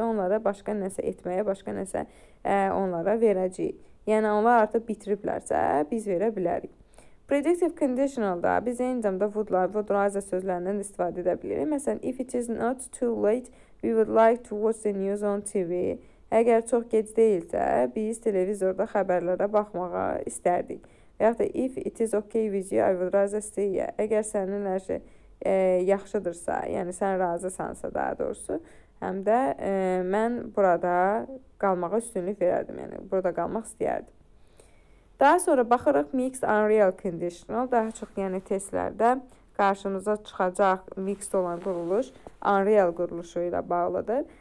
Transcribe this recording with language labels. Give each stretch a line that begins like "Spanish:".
Azerbaijani: Onlara başqa nəsə etməyə, başqa nəsə onlara verəcəyik. Yəni, onlar artıq bitiriblərsə, biz verə bilərik. Predictive conditionalda biz eyni zamanda would sözlərindən istifadə edə bilirik.
English: Məsələn, if it is not too late, we would like to watch the news on TV.
Azerbaijani: Əgər çox gec deyilsə, biz televizorda xəbərlərə baxmağa istərdik. Və yaxud da
English: if it is okay with you, I would rather stay.
Azerbaijani: Əgər sənin hər şey yaxşıdırsa, yəni sən razısansa daha doğrusu, həm də mən burada qalmağa üstünlük verərdim, yəni burada qalmaq istəyərdim. Daha sonra baxırıq mixed unreal conditional, daha çox yəni testlərdə qarşımıza çıxacaq mixed olan quruluş unreal quruluşu ilə bağlıdır.